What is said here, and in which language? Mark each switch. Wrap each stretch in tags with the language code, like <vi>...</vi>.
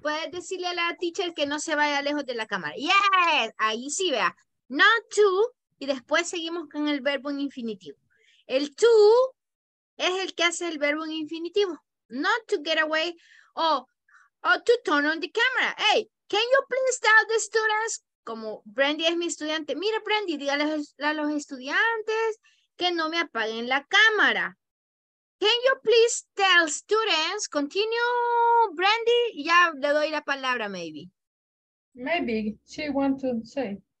<es>Puedes decirle a la teacher que no se vaya lejos de la cámara. Yes. Ahí sí, vea.</es> <en>Not to.</en> <es>Y después seguimos con el verbo en infinitivo. El to es el que hace el verbo en infinitivo.</es> <en>Not to get away or to turn on the camera. Hey, can you please tell the students?</en> <es>Como Brandy es mi estudiante. Mira, Brandy, dígale a los estudiantes que no me apaguen la cámara.</es> <en>Can you please tell students? Continue, Brandy.</en> <es>Ya le doy la palabra, maybe.</es> <en>Maybe she wants to say.</en>